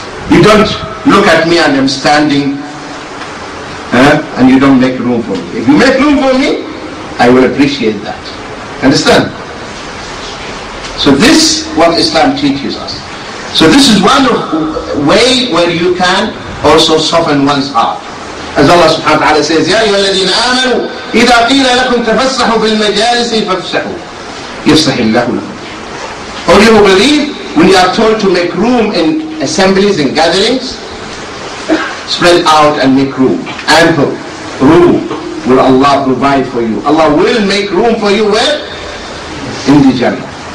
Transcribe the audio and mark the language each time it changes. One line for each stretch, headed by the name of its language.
English: You don't look at me and I'm standing and you don't make room for me. If you make room for me, I will appreciate that. Understand? So this is what Islam teaches us. So this is one of way where you can also soften one's heart. As Allah subhanahu wa ta'ala says,
Arabic: يَا أَيُّهَا الَّذِينَ آمَنُوا إِذَا قِيلَ لَكُمْ تَفَسَّحُوا فِي الْمَجَالِسِ فَافْسَحُوا يَفْسَحِ اللَّهُ لَكُمْ.
English: Or you believe, when you are told to make room in assemblies and gatherings, spread out and make room. Ample room will Allah provide for you. Allah will make room for you where? In the Jannah.